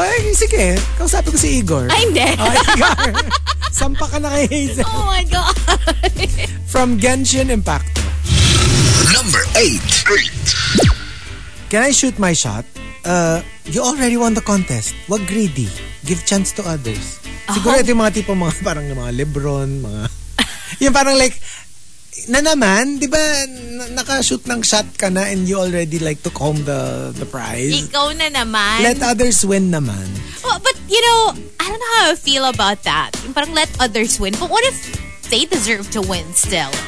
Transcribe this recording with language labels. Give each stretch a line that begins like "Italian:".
Filipino: Oh, sige. Kausapin ko si Igor. Ay, hindi. Oh, Igor. Sampa ka na kay Hazel.
English: Oh my God. From Genshin Impact. Number 8. Can I shoot my shot? You already won the contest.
Filipino: Wag
English: greedy. Give chance to others.
Filipino: Siguro ito yung mga tipo mga parang mga LeBron, mga... yung parang like, na naman, di ba, nakashoot ng shot ka na
English: and you already like took home the prize.
Filipino: Ikaw na naman.
English: Let others win
Filipino: naman.
English: Well, but you know, I don't know how I feel about that.
Filipino: Yung parang
English: let others win. But what if they deserve to win still?